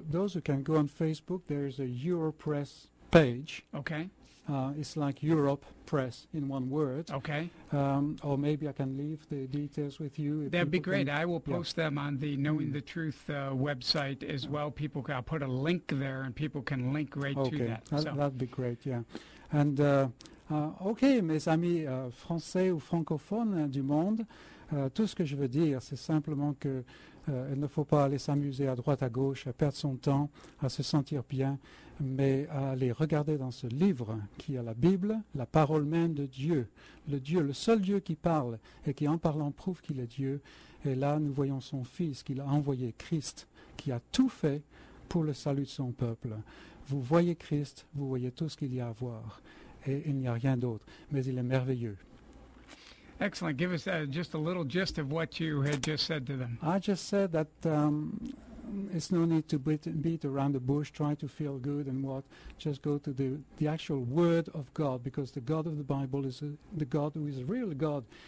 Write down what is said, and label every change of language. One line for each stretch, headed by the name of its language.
English: Okay, those who can go on Facebook, there is a Europress page. Okay. It's like Europe Press in one word. Okay. Or maybe I can leave the details with you. That'd be great. I will post them on the Knowing the Truth website as well. People, I'll put a link there, and people can link right to that. That'd be great, yeah.
French: And, okay, mes amis français ou francophones du monde, tout ce que je veux dire, c'est simplement que il ne faut pas aller s'amuser à droite, à gauche, à perdre son temps, à se sentir bien, mais à aller regarder dans ce livre qui est la Bible, la parole même de Dieu, le Dieu, le seul Dieu qui parle et qui en parlant prouve qu'il est Dieu. Et là, nous voyons son Fils qu'il a envoyé, Christ, qui a tout fait pour le salut de son peuple. Vous voyez Christ, vous voyez tout ce qu'il y a à voir et il n'y a rien d'autre, mais il est merveilleux.
English: Excellent. Give us just a little gist of what you had just said to them. I just said that it's no need to beat around the bush, try to feel good and what. Just go to the actual Word of God, because the God of the Bible is the God who is a real God.